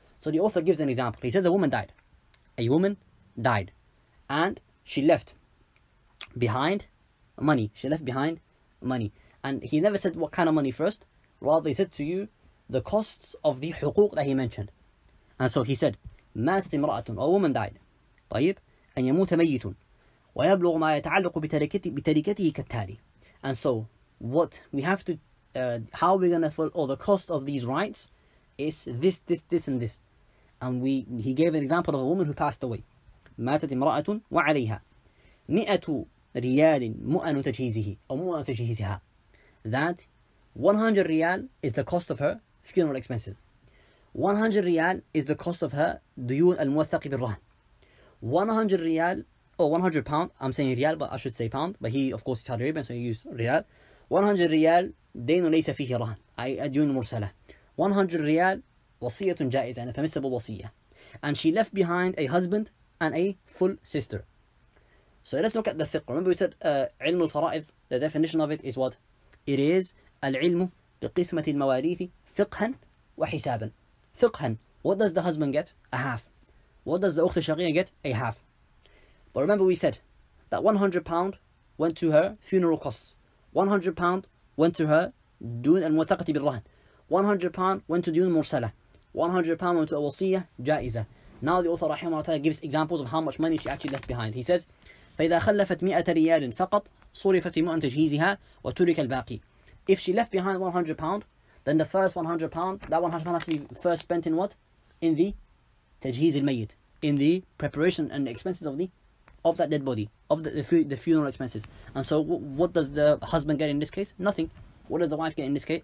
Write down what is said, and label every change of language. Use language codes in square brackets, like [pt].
[en] So the author gives an example. He says a woman died. A woman died. And she left behind money. She left behind money. And he never said what kind of money first. Rather, he said to you the costs of the حقوق that he mentioned. And so he said, [ar] ماتت امرأة, [en] a woman died. [ar] طيب, أن يموت ميت ويبلغ ما يتعلق بتركته كالتالي. [en] And so what we have to, how are we going to fill all the cost of these rights is this, this, this, and this. And he gave an example of a woman who passed away. [ar] ماتت امرأة وعليها 100 ريال مؤن تجهيزه أو مؤن تجهيزها. [en] That 100 ريال is the cost of her funeral expenses. 100 ريال is the cost of her [ar] ديون الموثق بالرهن. [en] 100 ريال or 100 pound, I'm saying ريال but I should say pound, but he of course is Saudi Arabian, so he used ريال. [ar] 100 ريال دين ليس فيه رهن, أي ديون مرسلة. 100 ريال [en] wasiyatun jaiz, and a permissible wasiyah. And she left behind a husband and a full sister. So let's look at the fiqh. Remember we said ilm al-fara'idh, the definition of it is what? It is [ar] al-ilmu biqismati al-mawarithi fiqhan wa hisaban. [en] Fiqhan, what does the husband get? A half. What does the ukhti shaqiyah get? A half. But remember we said that £100 went to her funeral costs. £100 went to her dun al-muwathaqati bil-rahn. £100 went to dun mursala. £100 went to a wasiyah jaiza. Now the author rahimahullah ta'ala gives examples of how much money she actually left behind. He says, [ar] فَإِذَا خَلَّفَتْ 100 رِيَالٍ فَقَطْ صُرِفَتْ مُؤَنْ تَجْهِيزِهَا وَتُرِكَ الْبَاقِي. [en] If she left behind £100, then the first £100, that £100 has to be first spent in what? In the [ar] تَجْهِيز الْمَيِّتِ, [en] in the preparation and expenses of the of that dead body, of the funeral expenses. And so what does the husband get in this case? Nothing. What does the wife get in this case?